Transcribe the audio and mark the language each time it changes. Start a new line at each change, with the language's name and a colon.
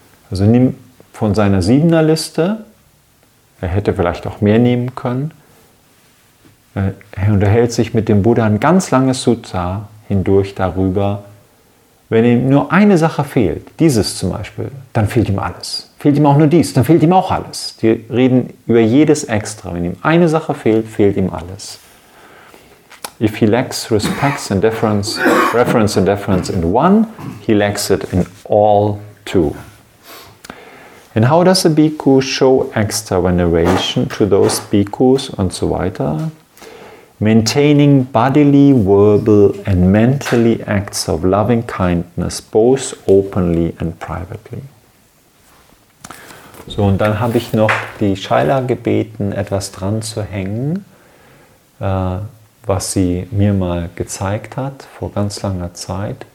German: Also nimm von seiner siebener Liste, er hätte vielleicht auch mehr nehmen können, er unterhält sich mit dem Buddha ein ganz langes Sutta hindurch darüber, wenn ihm nur eine Sache fehlt, dieses zum Beispiel, dann fehlt ihm alles. Fehlt ihm auch nur dies, dann fehlt ihm auch alles. Die reden über jedes extra. Wenn ihm eine Sache fehlt, fehlt ihm alles.
English: If he lacks respect and deference, reference and deference in one, he lacks it in all two. And how does a bhikkhu show extra veneration to those bhikkhus
German: und so weiter?
English: Maintaining bodily, verbal and mentally acts of loving kindness, both openly and privately.
German: So, und dann habe ich noch die Shaila gebeten, etwas dran zu hängen, was sie mir mal gezeigt hat vor ganz langer Zeit.